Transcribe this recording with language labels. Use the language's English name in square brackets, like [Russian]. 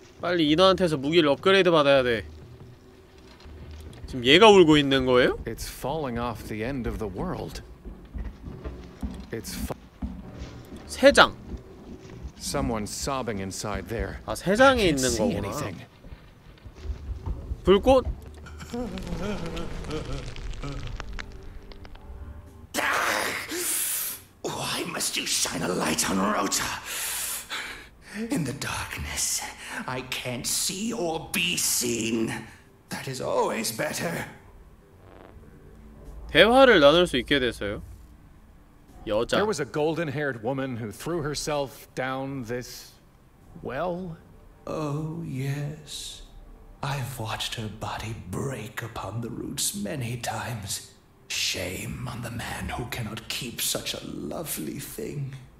[Korean] 빨리 인어한테서 무기를 업그레이드 받아야 돼. 지금 얘가 울고 있는 거예요? [English] It's falling off the end of the world. It's [Korean] 세 장. [English] Someone sobbing inside there. [Korean] 아, 세 장에 있는 거구나. 불꽃. 다. [English] Why must you shine a light on Rota? In the darkness, I can't see or be seen. That is always better. [Korean] 대화를 나눌 수 있게 됐어요. 여자. [English] There was a golden-haired woman who threw herself down this well. Oh, yes. I've watched her body break upon the roots many times. Shame on the man who cannot keep such a lovely thing.